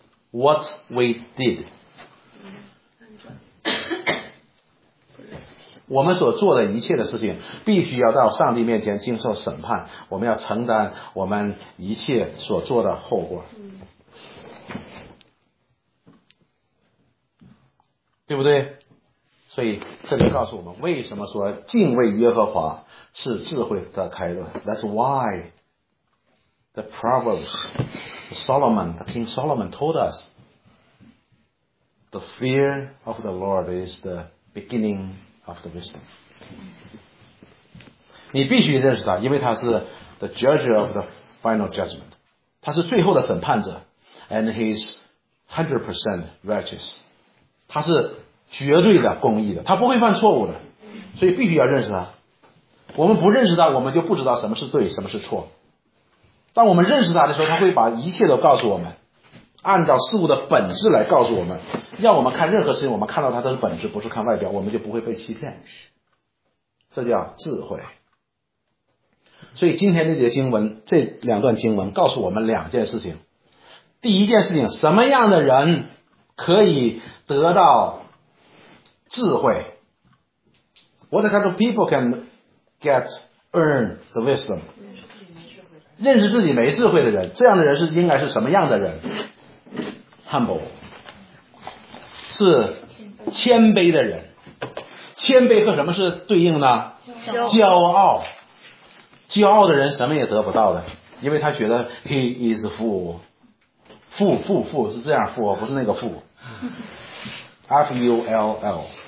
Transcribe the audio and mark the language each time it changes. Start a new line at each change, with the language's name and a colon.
English: What we did，
Chinese: 我们所做的一切的事情必须要到上帝面前经受审判，我们要承担我们一切所做的后果，对不对？所以这里告诉我们为什么说敬畏耶和华是智慧的开端。
English: That's why the Proverbs Solomon, the King Solomon told usThe fear of the Lord is the beginning of the wisdom。
Chinese: 你必须认识他，因为他是
English: the judge of the final judgment，
Chinese: 他是最后的审判者。
English: And he is 100% righteous，
Chinese: 他是绝对的公义的，他不会犯错误的，所以必须要认识他。我们不认识他，我们就不知道什么是对，什么是错。当我们认识他的时候，他会把一切都告诉我们，按照事物的本质来告诉我们，要我们看任何事情，我们看到它的本质，不是看外表，我们就不会被欺骗。这叫智慧。所以今天这节经文，这两段经文告诉我们两件事情。第一件事情，什么样的人可以得到智慧？
English: What kind of people can earn the wisdom？
Chinese: 认识自己没智慧的人，这样的人是应该是什么样的人？ Humble，是谦卑的人。谦卑和什么是对应呢？骄傲。骄傲的人什么也得不到的，因为他觉得
English: he is fool，
Chinese: fool 是这样 fool， 不是那个 fool， F-U-L-L。